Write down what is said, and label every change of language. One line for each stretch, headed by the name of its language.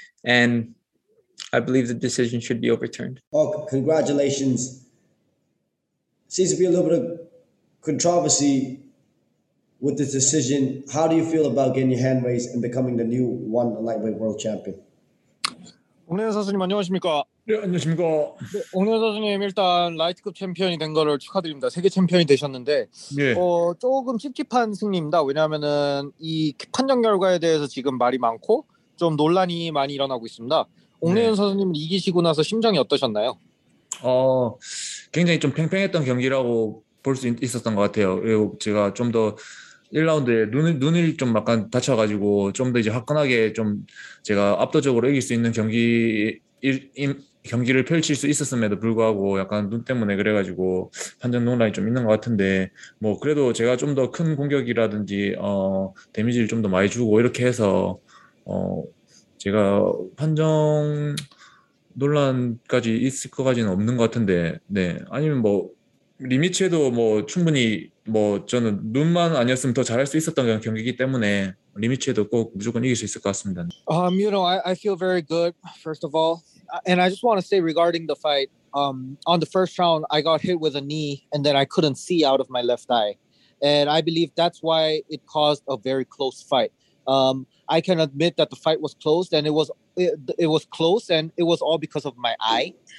English: And I believe the decision should be overturned. Oh, congratulations. seems to be a little bit of controversy with this decision. How do you feel about getting your hand raised and becoming the new one lightweight world champion?
Korean: 오늘 안녕하십니까? 네, 안녕하십니까. 네, 오늘 선수님 일단 라이트급 챔피언이 된 거를 축하드립니다. 세계 챔피언이 되셨는데 네. 조금 찝찝한 승리입니다. 왜냐하면은 이 판정 결과에 대해서 지금 말이 많고 좀 논란이 많이 일어나고 있습니다. 옥내연 네. 선수님 이기시고 나서 심정이 어떠셨나요? 굉장히 좀 팽팽했던 경기라고 볼 수 있었던 것 같아요. 그리고 제가 좀 더 1라운드에 눈을 좀 약간 다쳐가지고 좀 더 이제 화끈하게 좀 제가 압도적으로 이길 수 있는 경기를 펼칠 수 있었음에도 불구하고 약간 눈 때문에 그래가지고 판정 논란이 좀 있는 것 같은데 뭐 그래도 제가 좀 더 큰 공격이라든지 데미지를 좀 더 많이 주고 이렇게 해서 제가 판정 논란까지 있을 것까지는 없는 것 같은데 네 아니면 뭐 리미츠에도 뭐 충분히 뭐 저는 눈만 아니었으면 더 잘할 수 있었던 경기이기 때문에 리미츠에도 꼭 무조건 이길 수 있을 것 같습니다.
English: You know, I feel very good, first of all. And I just want to say regarding the fight, on the first round, I got hit with a knee and then I couldn't see out of my left eye. And I believe that's why it caused a very close fight. I can admit that the fight was closed and it was close and it was all because of my eye.